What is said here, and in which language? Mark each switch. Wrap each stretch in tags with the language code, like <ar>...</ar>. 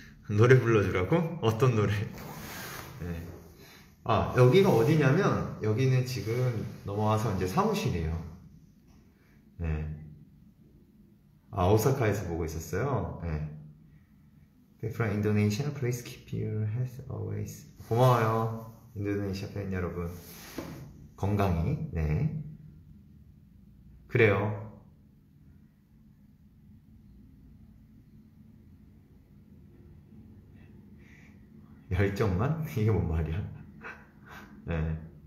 <ko>노래 불러주라고? 어떤 노래? 네. 아, 여기가 어디냐면, 여기는 지금 넘어와서 이제 사무실이에요. 네. 아, 오사카에서 보고 있었어요. 네.</ko> <en>From Indonesia, please keep your health always.</en> <ko>고마워요, 인도네시아 팬 여러분. 건강히, 네. 그래요. 열정만? 이게 뭔 말이야? 네.</ko>